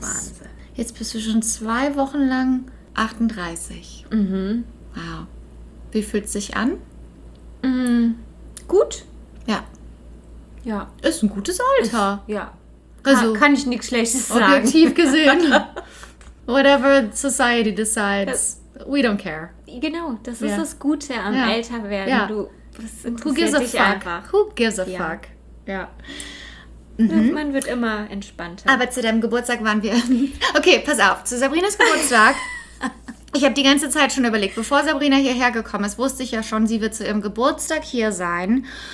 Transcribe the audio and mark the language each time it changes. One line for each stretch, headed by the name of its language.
German: Wahnsinn. Jetzt bist du schon 2 Wochen lang 38. Mhm. Wow. Wie fühlt es sich an? Mhm. Gut. Ja. Ja. Ist ein gutes Alter. Ja. Also kann ich nichts Schlechtes sagen. Objektiv gesehen.
English: Whatever society decides, we don't care.
German: Genau, das ist das Gute am Älterwerden. Ja. Du interessiert dich einfach.
English: Who gives a fuck? Ja.
German: Man wird immer entspannter. Aber zu deinem Geburtstag waren wir... Okay, pass auf, zu Sabrinas Geburtstag. Ich habe die ganze Zeit schon überlegt, bevor Sabrina hierher gekommen ist, wusste ich ja schon, sie wird zu ihrem Geburtstag hier sein.